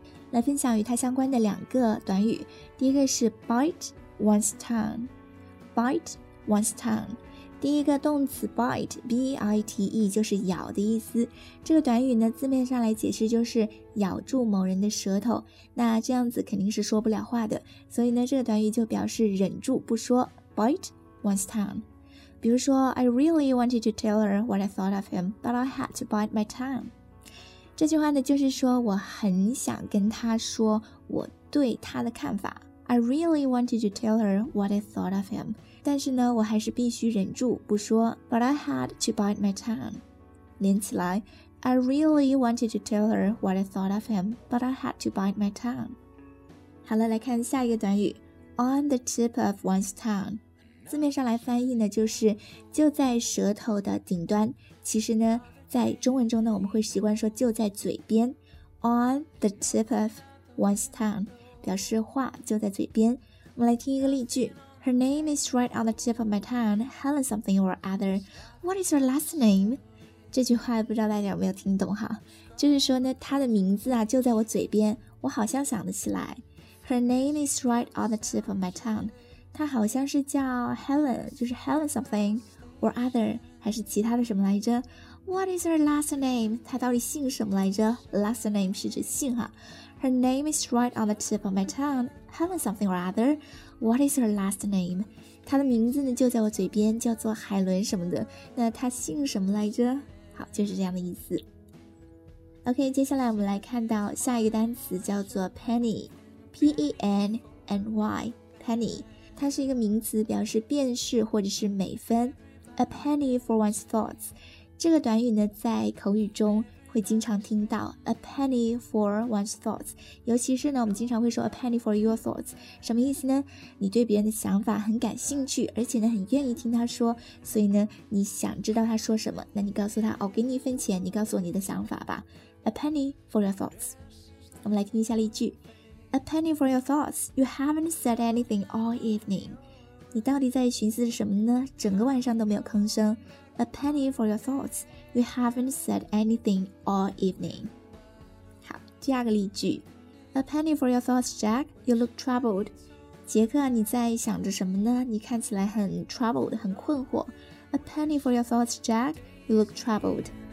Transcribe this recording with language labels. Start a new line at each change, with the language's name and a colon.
Chinese: 来分享与它相关的两个短语，第一个是 bite,One's tongue, bite one's tongue, 第一个动词 bite, B-I-T-E, 就是咬的意思。这个短语呢，字面上来解释就是咬住某人的舌头，那这样子肯定是说不了话的，所以呢，这个短语就表示忍住不说，
English: bite one's tongue。
Chinese: 比如说
English: I really wanted to tell her what I thought of him, but I had to bite my tongue。
Chinese: 这句话呢，就是说我很想跟她说我对她的看法。
English: I really wanted to tell her what I thought of him,
Chinese: 但是呢，我还是必须忍住不说。
English: But I had to bite my tongue.
Chinese: 连起来
English: ，I really wanted to tell her what I thought of him, but I had to bite my tongue.
Chinese: 好了，来看下一个短语 ，
English: on the tip of one's tongue。
Chinese: 字面上来翻译呢，就是就在舌头的顶端。其实呢，在中文中呢，我们会习惯说就在嘴边 ，
English: on the tip of one's tongue。
Chinese: 表示话就在嘴边。我们来听一个例句
English: Her name is right on the tip of my tongue, Helen something or other. What is her last name?
Chinese: 这句话不知道大家有没有听懂哈，就是说呢，她的名字啊就在我嘴边，我好像想得起来。
English: Her name is right on the tip of my tongue.
Chinese: 她好像是叫 Helen, 就是
English: Helen something or other,
Chinese: 还是其他的什么来着。
English: What is her last name?
Chinese: 她到底姓什么来着？
English: Last name
Chinese: 是指姓哈。
English: Her name is right on the tip of my tongue. Helen something or other. What is her last name?
Chinese: 她的名字呢就在我嘴边，叫做海伦什么的。那她姓什么来着？好，就是这样的意思。OK, 接下来我们来看到下一个单词叫做 penny. P-E-N-N-Y, penny. 它是一个名词，表示便士或者是美分。
English: A penny for one's thoughts.
Chinese: 这个短语呢在口语中会经常听到
English: a penny for one's thoughts,
Chinese: 尤其是呢，我们经常会说
English: a penny for your thoughts,
Chinese: 什么意思呢？你对别人的想法很感兴趣，而且呢，很愿意听他说，所以呢，你想知道他说什么，那你告诉他，哦，给你一分钱，你告诉我你的想法吧。
English: A penny for your thoughts.
Chinese: 我们来听一下例句
English: A penny for your thoughts. You haven't said anything all evening.
Chinese: 你到底在寻思什么呢？整个晚上都没有吭声。
English: A penny for your thoughts. You haven't said anything all evening.
Chinese: 好，第二个例句。
English: A penny for your thoughts, Jack. You look troubled.
Chinese: 杰克，你在想着什么呢？你看起来很 troubled, 很困惑。
English: A penny for your thoughts, Jack. You look troubled.